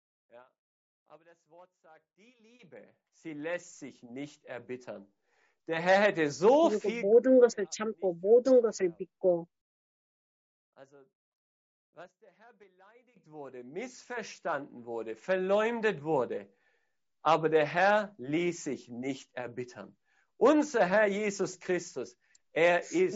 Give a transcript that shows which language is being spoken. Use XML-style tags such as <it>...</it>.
<de>Ja, aber das Wort sagt, die Liebe, sie lässt sich nicht erbittern. Der Herr hätte so viel</de> <ko>모든 것을 참고 모든 것을 믿고</ko> <de>Also was der Herr beleidigt wurde, missverstanden wurde, verleumdet wurde, aber der Herr ließ sich nicht erbittern. Unser Herr Jesus Christus, er ist</de>